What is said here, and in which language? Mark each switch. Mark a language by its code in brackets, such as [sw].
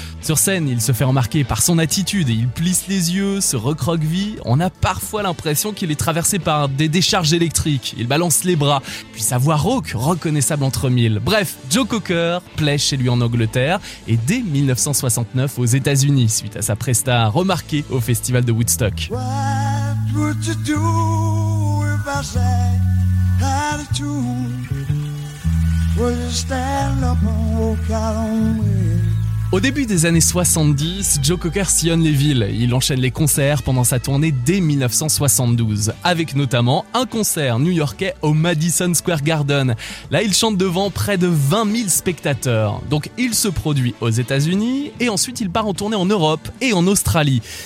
[fr] Sur scène, il se fait remarquer par son attitude et il plisse les yeux, se recroqueville. On a parfois l'impression qu'il est traversé par des décharges électriques. Il balance les bras, puis sa voix rauque, reconnaissable entre mille. Bref, Joe Cocker plaît chez lui en Angleterre et dès 1969 aux États-Unis suite à sa presta remarquée au festival de Woodstock. [en] What would you do if I said had a tune, will you stand up and walk out on me? [fr] Au début des années 70, Joe Cocker sillonne les villes. Il enchaîne les concerts pendant sa tournée dès 1972, avec notamment un concert new-yorkais au Madison Square Garden. Là, il chante devant près de 20 000 spectateurs. Donc, il se produit aux États-Unis et ensuite, il part en tournée en Europe et en Australie.